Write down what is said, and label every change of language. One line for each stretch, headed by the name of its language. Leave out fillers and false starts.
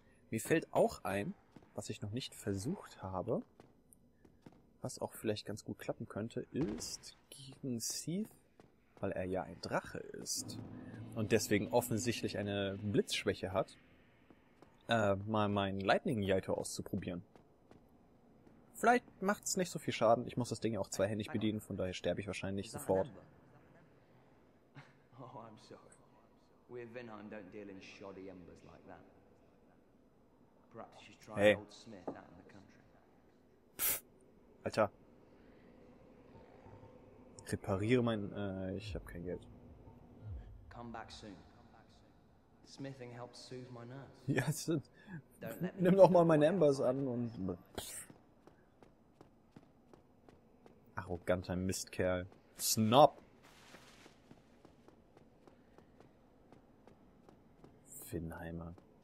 German: Mir fällt auch ein, was ich noch nicht versucht habe, was auch vielleicht ganz gut klappen könnte, ist gegen Seath, weil er ja ein Drache ist und deswegen offensichtlich eine Blitzschwäche hat, mal meinen Lightning-Jaito auszuprobieren. Vielleicht macht's nicht so viel Schaden. Ich muss das Ding ja auch zweihändig bedienen, von daher sterbe ich wahrscheinlich sofort.
English: Oh, I'm sorry. We in Vinheim don't deal in shoddy embers like that. Perhaps you try hey. Old Smith out in the country.
German: Pff, Alter. Repariere mein, ich hab kein Geld.
English: Come back soon. Smithing helps soothe my nerves.
German: Ja, nimm doch mal meine embers an und... Pff. Arroganter Mistkerl. Snob. Finnheimer.